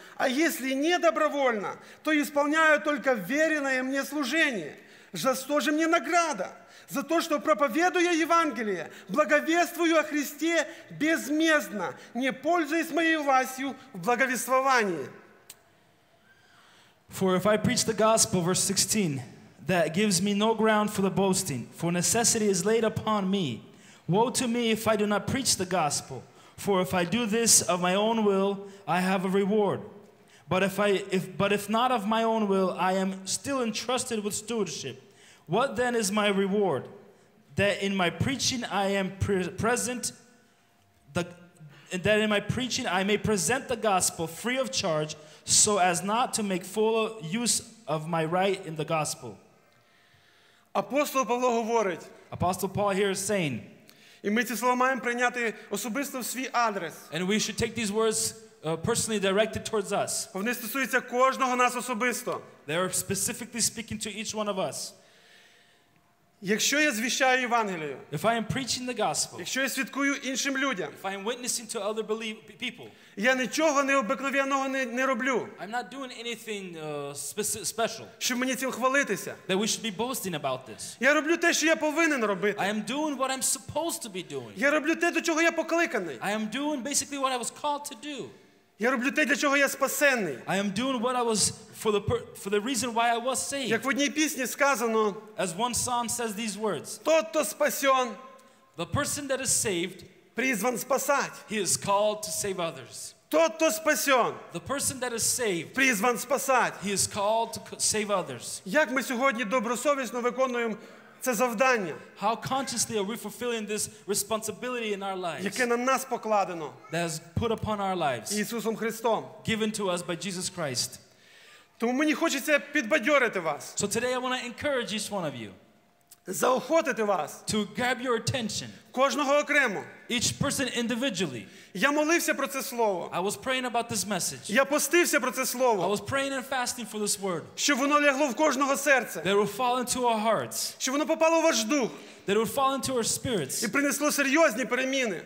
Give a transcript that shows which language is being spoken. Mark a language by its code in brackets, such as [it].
[ru] А если не добровольно, то исполняю только веренное мне служение. За что же мне награда? За то, что проповедуя Евангелие, благовествую о Христе безмездно, не пользуясь моей властью в благовествовании. [en] For if I preach the gospel, verse 16, that gives me no ground for the boasting, for necessity is laid upon me. Woe to me if I do not preach the gospel, for if I do this of my own will, I have a reward. But if not of my own will, I am still entrusted with stewardship. What then is my reward? That in my preaching I am present, that in my preaching I may present the gospel free of charge, so as not to make full use of my right in the gospel. [uk] Апостол Павло говорить. [en] Apostle Paul here is saying. [uk] І ми ці слова маємо прийняти особисто в свій адрес. [en] And we should take these words personally directed towards us. [uk] Вони стосуються кожного нас особисто. [en] They are specifically speaking to each one of us. [uk] Якщо я звіщаю Євангелію, [en] if I am preaching the gospel, [uk] якщо я свідкую іншим людям, [en] if I am witnessing to other people, [uk] я нічого необикновенного не роблю, [en] I'm not doing anything special, [uk] щоб мені цим хвалитися, [en] that we should be boasting about this. [uk] Я роблю те, що я повинен робити, [en] I am doing what I'm supposed to be doing. [uk] Я роблю те, до чого я покликаний, [en] I am doing basically what I was called to do. [uk] Я роблю те, для чого я спасений. [en] I am doing what I was for the reason why I was saved. [uk] Як в одній пісні сказано, [en] as one song says these words. [uk] Тот, хто спасен, [en] the person that is saved, [uk] призван спасати. [en] He is called to save others. [uk] Тот, хто спасен, [en] the person that is saved, [uk] призван спасати. [en] He is called to save others. [uk] Як ми сьогодні добросовісно виконуємо це завдання? [en] How consciously are we fulfilling this responsibility in our lives? [uk] Яке на нас покладено? [en] That is put upon our lives. [uk] Ісусом Христом. [en] Given to us by Jesus Christ. [uk] Тому мені хочеться підбадьорити вас. [en] So today I want to encourage each one of you. [uk] Заохотити вас. [en] To grab your attention. [uk] Кожного окремо. [en] Each person individually. [uk] Я молився про це слово. [en] I was praying about this message. [uk] Я постився про це слово. [en] I was praying and fasting for this word. [uk] Щоб воно лягло в кожного серця. [en] That it would fall into our hearts. [uk] Щоб воно попало в ваш дух. [en] That it would fall into our spirits. [uk] І принесло серйозні переміни.